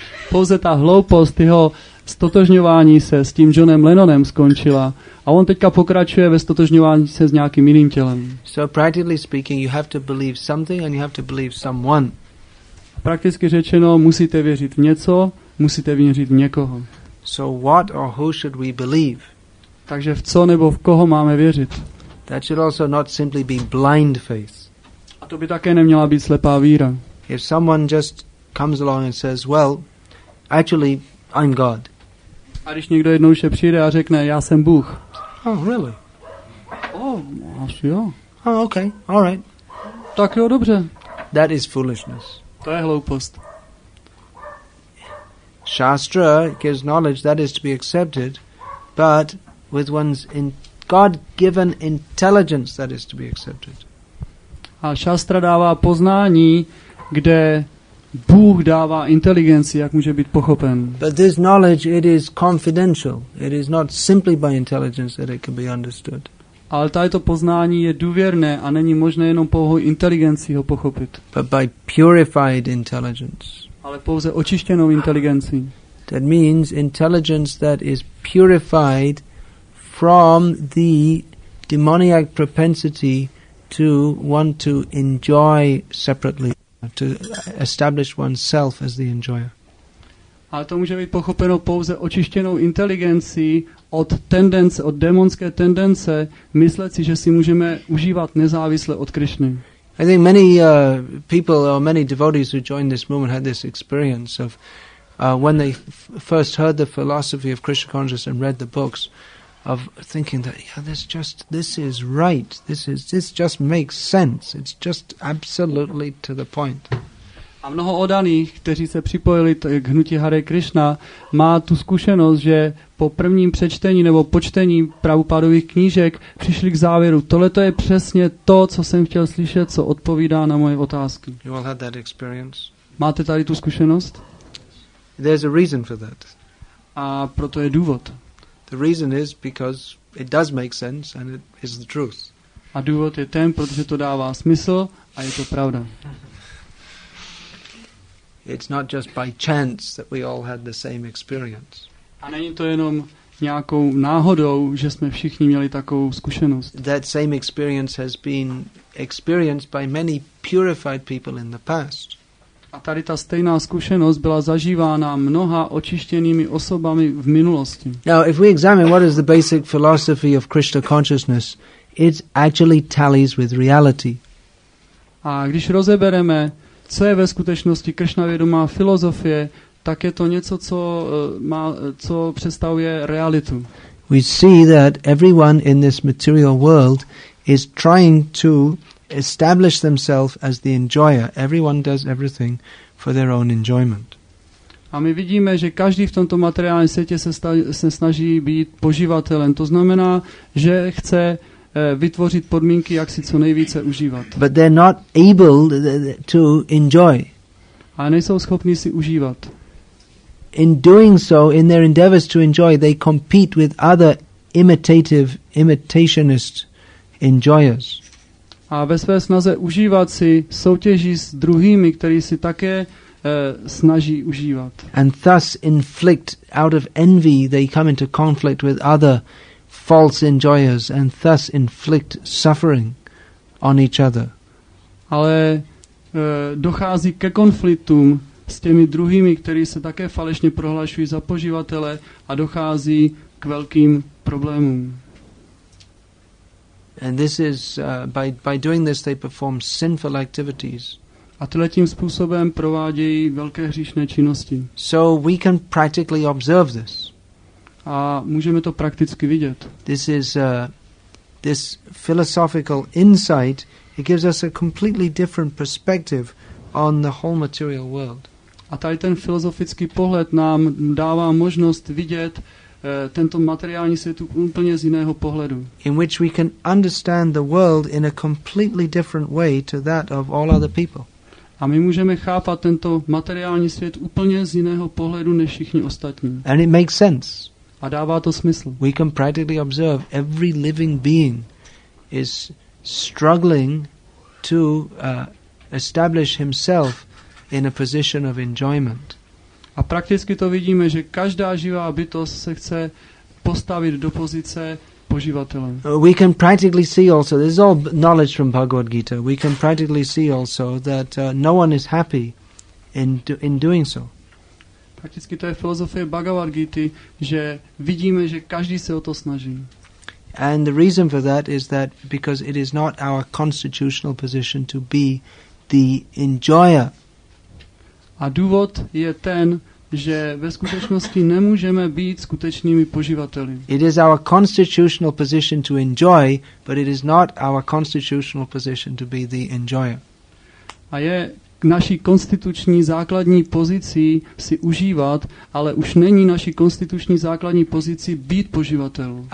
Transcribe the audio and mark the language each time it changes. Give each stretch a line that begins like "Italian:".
Czech: Pouze ta hloupost jeho stotožňování se s tím Johnem Lennonem skončila a on teďka pokračuje ve stotožňování se s nějakým jiným tělem.
English: So practically speaking, you have to believe something and you have to believe someone.
Czech: Prakticky řečeno, musíte věřit v něco, musíte věřit v někoho.
English: So what or who should we believe?
Czech: Takže v co nebo v koho máme věřit?
English: That should also not simply be blind faith.
Czech: A to by také neměla být slepá víra.
English: If someone just comes along and says, well, actually, I'm God.
Czech: A když někdo jednou vše přijde a řekne, já jsem Bůh.
English: Oh, really?
Czech: Oh, asi jo.
English: Oh, okay, all right.
Czech: Tak jo, dobře.
English: That is foolishness.
Czech: To je hloupost.
English: Shastra gives knowledge that is to be accepted, but with one's God-given intelligence that is to be accepted.
Czech: A šastra dává poznání, kde Bůh dává inteligenci, jak může být pochopen.
English: But this knowledge, it is confidential. It is not simply by intelligence that it can be understood.
Czech: Ale tato poznání je důvěrné a není možné jenom pouhou inteligencí ho pochopit.
English: But by purified intelligence.
Czech: Ale pouze očištěnou inteligencí.
English: That means intelligence that is purified from the demoniac propensity to want to enjoy separately, to establish oneself as the enjoyer.
Czech: Ale to může být pochopeno pouze očištěnou inteligencí od tendence, od démonské tendence myslet si, že si můžeme užívat nezávisle od Krišny.
English: I think many people or many devotees who joined this movement had this experience of when they first heard the philosophy of Krishna consciousness and read the books, of thinking that yeah, this is right, this just makes sense, it's just absolutely to the point.
Czech: A mnoho odaných, kteří se připojili k hnutí Hare Krishna, má tu zkušenost, že po prvním přečtení nebo počtení Prabhupádových knížek přišli k závěru. Tohle to je přesně to, co jsem chtěl slyšet, co odpovídá na moje otázky.
English: You all had that experience.
Czech: Máte tady tu zkušenost?
English: There's a reason for that.
Czech: A proto je důvod.
English: The reason is because it does make sense and it is the truth.
Czech: A důvod je ten, protože to dává smysl a je to pravda.
English: It's not just by chance that we all had the same experience.
Czech: A není to jenom nějakou náhodou, že jsme všichni měli takovou zkušenost.
English: That same experience has been experienced by many purified people in the past.
Czech: A tady ta stejná zkušenost byla zažívána mnoha očištěnými osobami v minulosti.
English: Now, if we examine what is the basic philosophy of Krishna consciousness, it actually tallies with reality.
Czech: A když rozebereme co je ve skutečnosti Krishna vědomá filozofie, tak je to něco, co má, co představuje realitu.
English: We see that everyone in this material world is trying to establish themselves as the enjoyer. Everyone does everything for their own enjoyment.
Czech: A my vidíme, že každý v tomto materiálním světě se snaží být poživatelem. To znamená, že chce vytvořit podmínky, jak si co nejvíce užívat.
English: But they're not able to enjoy.
Czech: A nejsou schopni si užívat.
English: In doing so, in their endeavors to enjoy, they compete with other imitationist enjoyers.
Czech: A ve své snaze užívat si soutěží s druhými, kteří si také snaží užívat.
English: And thus inflict out of envy, they come into conflict with other false enjoyers and thus inflict suffering on each other.
Czech: Ale dochází ke konfliktům s těmi druhými, kteří se také falešně prohlašují za poživatele a dochází k velkým problémům.
English: And this is by doing this they perform sinful activities.
Czech: A tyhle tím způsobem provádějí velké hříšné činnosti.
English: So we can practically observe this.
Czech: A můžeme to prakticky vidět.
English: This is this philosophical insight, it gives us a completely different perspective on the whole material world.
Czech: A tady ten filozofický pohled nám dává možnost vidět tento materiální svět úplně z jiného pohledu.
English: In which we can understand the world in a completely different way to that of all other people.
Czech: A my můžeme chápat tento materiální svět úplně z jiného pohledu než všichni ostatní.
English: And it makes sense.
Czech: A dává to smysl.
English: We can practically observe every living being is struggling to establish himself in a position of enjoyment.
Czech: A prakticky to vidíme, že každá živá bytost se chce postavit do pozice poživatele.
English: We can practically see also, this is all knowledge from Bhagavad Gita, we can practically see also that no one is happy in doing so.
Czech: Prakticky to je filozofie Bhagavad Gita, že vidíme, že každý se o to snaží.
English: And the reason for that is that because it is not our constitutional position to be the enjoyer.
Czech: A důvod je ten, že ve skutečnosti nemůžeme být skutečnými poživateli.
English: It is our constitutional position to enjoy, but it is not our constitutional position to be the enjoyer.
Czech: A je naší konstituční základní pozicí si užívat, ale už není naší konstituční základní pozicí být poživatel.